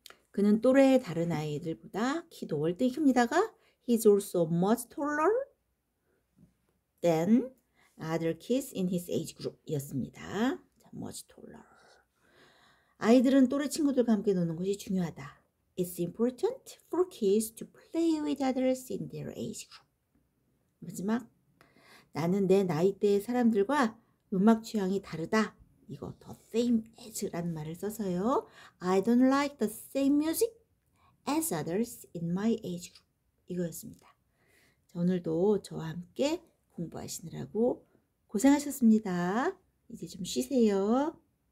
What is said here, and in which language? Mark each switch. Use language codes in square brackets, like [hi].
[ko] 그는 또래의 다른 아이들보다 키도 월등히 큽니다가 [en] he's also much taller than other kids in his age group [ko] 이었습니다. [en] much taller. [ko] 아이들은 또래 친구들과 함께 노는 것이 중요하다. [en] It's important for kids to play with others in their age group. [ko] 마지막, 나는 내 나이대의 사람들과 음악 취향이 다르다. 이거 the same as라는 말을 써서요. [en] I don't like the same music as others in my age group. [ko] 이거였습니다. 오늘도 저와 함께 공부하시느라고 고생하셨습니다. 이제 좀 쉬세요.